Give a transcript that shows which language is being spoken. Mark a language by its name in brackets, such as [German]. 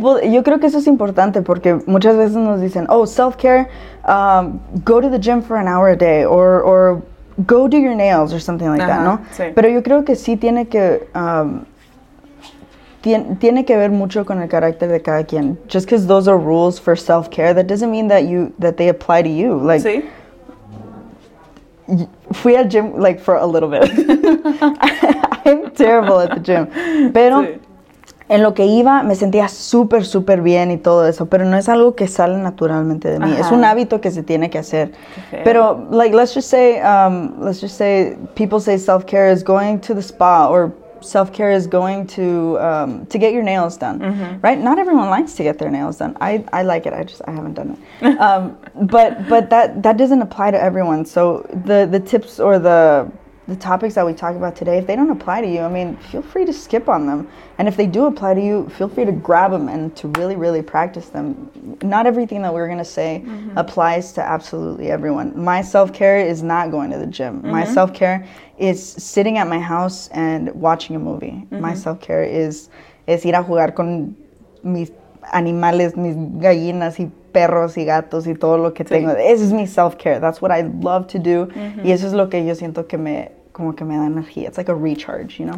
[English] Well, [Spanish] yo creo que eso es importante porque muchas veces nos dicen, [English] oh, self-care, go to the gym for an hour a day or go do your nails or something like that, ¿no? [Spanish] Sí. Pero yo creo que sí tiene que... Tiene que ver mucho con el carácter de cada quien. [English] Just because those are rules for self-care, that doesn't mean that they apply to you. Like, [Spanish] ¿sí? [English] Fui al gym, like, for a little bit. I'm terrible at the gym. [Spanish] Pero en lo que iba, me sentía súper, súper bien y todo eso. Pero no es algo que sale naturalmente de mí. Uh-huh. Es un hábito que se tiene que hacer. [English] Okay. Pero, like, let's just say people say self-care is going to the spa or... Self-care is going to get your nails done, mm-hmm. right? Not everyone likes to get their nails done. I like it. I haven't done it. but that doesn't apply to everyone. So the tips or the topics that we talk about today, if they don't apply to you, I mean, feel free to skip on them. And if they do apply to you, feel free to grab them and to really, really practice them. Not everything that we're going to say mm-hmm. applies to absolutely everyone. My self-care is not going to the gym. Mm-hmm. My self-care is sitting at my house and watching a movie. Mm-hmm. My self-care is [Spanish] ir a jugar con mis animales, mis gallinas y perros y gatos y todo lo que tengo. [English] This is my self-care. That's what I love to do. Mm-hmm. [Spanish] Y eso es lo que yo siento que me da energía. [English] It's like a recharge, you know?